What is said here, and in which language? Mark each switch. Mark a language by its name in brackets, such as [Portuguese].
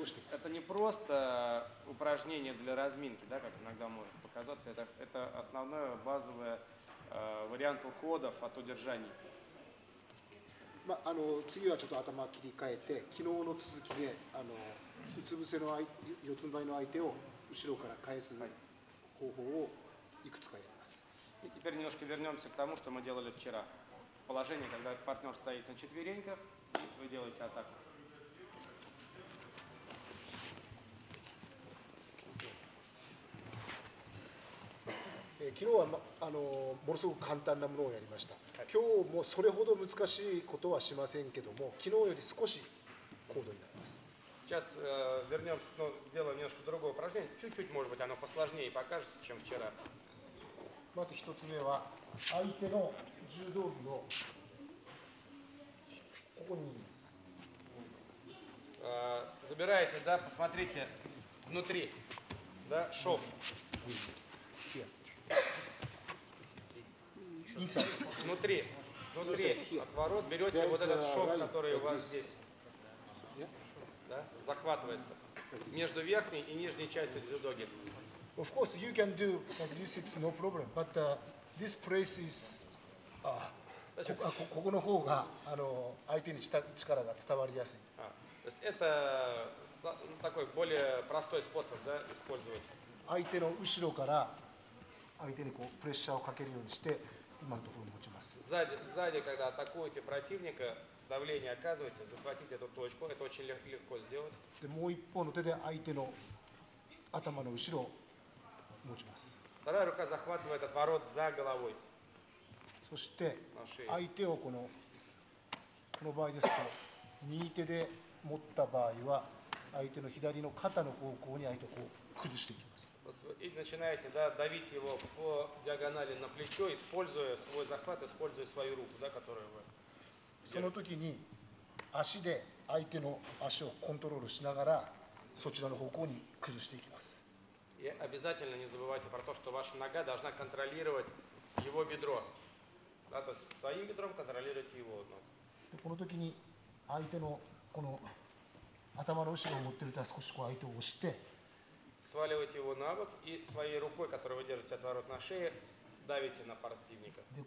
[Russian] Это не просто упражнение для разминки, да, как иногда может показаться. Это основное базовое вариант уходов от удержаний. Ну, а ну, [Japanese] 次はちょっと頭切り替えて、昨日の続きで、あのうつ伏せの四つん這いの相手を後ろから返す方法をいくつかやります。 [Russian] И теперь немножко вернемся к тому, что мы делали вчера. Положение, когда партнер стоит на четвереньках, и вы делаете атаку. [Japanese] ものすごく簡単なものをやりました。今日もそれほど難しいことはしませんけども、昨日より少し高度になります。 [Russian] Сейчас вернемся, но делаем немножко другое упражнение. Чуть-чуть, может быть, оно посложнее покажется, чем вчера. [Japanese] まず一つ目は、相手の柔道着のここに。 [Russian] Забираете, да? Посмотрите внутри, да? Шов. Внутри, внутри отворот, берете вот этот шов, который у вас здесь, да, захватывается между верхней и нижней частью дзюдоги. [English] Of course, you can do like this, it's no problem. But this press is, [Japanese] ここの方が相手に力が伝わりやすい。 [Russian] То есть это такой более простой способ, да, использовать. [Japanese] 相手の後ろから相手にこうプレッシャーをかけるようにして。 [Russian] Сзади, когда атакуете противника, давление оказываете, захватите эту точку, это очень легко сделать. Вторая рука захватывает отворот за головой. На шее. [Japanese] この場合ですと、右手で持った場合は、相手の左の肩の方向に相手をこう崩していきます。 [Russian] И начинаете, да, давить его по диагонали на плечо, используя свой захват, используя свою руку, да, которую вы. [Japanese] その時に足で相手の足をコントロールしながらそちらの方向に崩していきます。 [Russian] И обязательно не забывайте про то, что ваша нога должна контролировать его бедро, да, то есть своим бедром контролировать его ногу. [Japanese] この時に相手のこの頭の後ろを持っていると少しこう相手を押して。 [Russian] Сваливаете его на бок и своей рукой, которую вы держите отворот на шее, давите на противника.